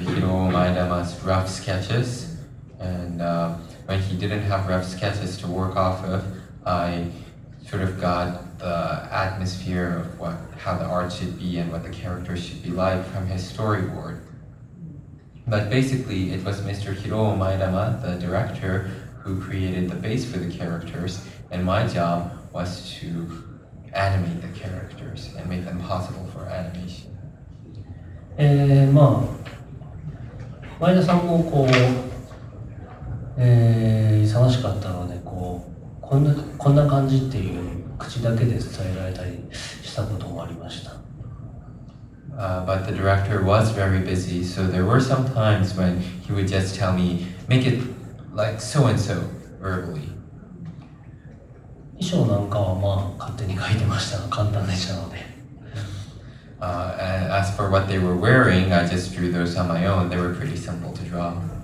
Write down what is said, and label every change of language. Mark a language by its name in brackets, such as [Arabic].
[English] Hiro Maedama's rough sketches, and when he didn't have rough sketches to work off of, I sort of got the atmosphere of what, how the art should be and what the character should be like from his storyboard. But basically, it was Mr. Hiro Maedama, the director, who created the base for the characters. And my job was to animate the characters and make them possible for animation. [Japanese] まあ、前田さんもこう、忙しかったので、こう、こんな感じっていう口だけで伝えられたりしたこともありました。 [English] But the director was very busy, so there were some times when he would just tell me, make it like so and so verbally. [Japanese] 衣装なんかはまあ勝手に描いてましたが簡単でしたので。 [English] As for what they were wearing, I just drew those on my own. They were pretty simple to draw.